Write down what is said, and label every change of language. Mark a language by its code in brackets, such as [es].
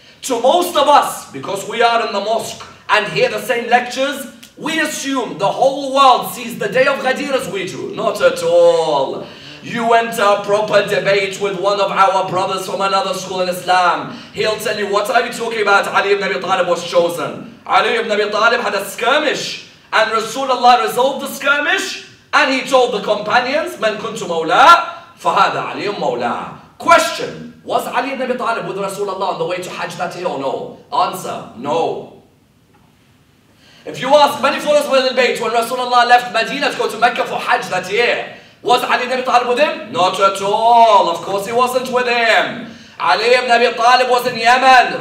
[en] To most of us, because we are in the mosque and hear the same lectures, we assume the whole world sees the day of Ghadir as we do. Not at all. You enter a proper debate with one of our brothers from another school in Islam. He'll tell you, what are you talking about? Ali ibn Abi Talib was chosen. Ali ibn Abi Talib had a skirmish. And Rasulullah resolved the skirmish. And he told the companions, [ar] من كنت مولا فهذا علي مولا. [en] Question, was Ali ibn Abi Talib with Rasulullah on the way to Hajj that year or no? Answer, no. If you ask many followers of the Bayt, when Rasulullah left Medina to go to Mecca for Hajj that year, was Ali ibn Abi Talib with him? Not at all. Of course he wasn't with him. Ali ibn Abi Talib was in Yemen.